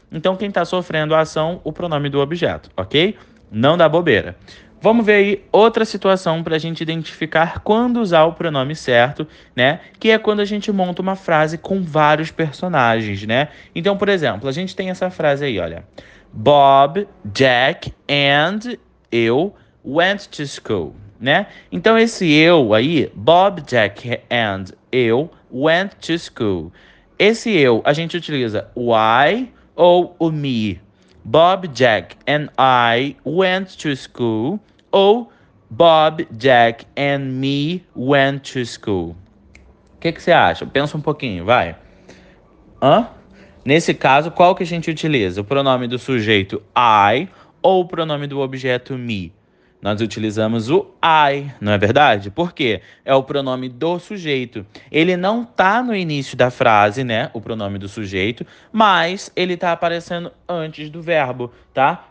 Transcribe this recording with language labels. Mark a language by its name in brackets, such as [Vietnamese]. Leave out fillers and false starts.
[Portuguese] Então, quem está sofrendo a ação, o pronome do objeto, ok? Não dá bobeira. Vamos ver aí outra situação para a gente identificar quando usar o pronome certo, né? Que é quando a gente monta uma frase com vários personagens, né? Então, por exemplo, a gente tem essa frase aí, olha. [English] Bob, Jack and [Portuguese] eu [English] went to school, [Portuguese] né? Então esse eu aí, [English] Bob, Jack and [Portuguese] eu [English] went to school. [Portuguese] Esse eu a gente utiliza o I ou o me. [English] Bob, Jack and I went to school [Portuguese] ou [English] Bob, Jack and me went to school. [Portuguese] Que você acha? Pensa um pouquinho, vai. Hã? Nesse caso, qual que a gente utiliza? O pronome do sujeito I ou o pronome do objeto me? Nós utilizamos o I, não é verdade? Por quê? É o pronome do sujeito. Ele não está no início da frase, né? O pronome do sujeito, mas ele está aparecendo antes do verbo, tá?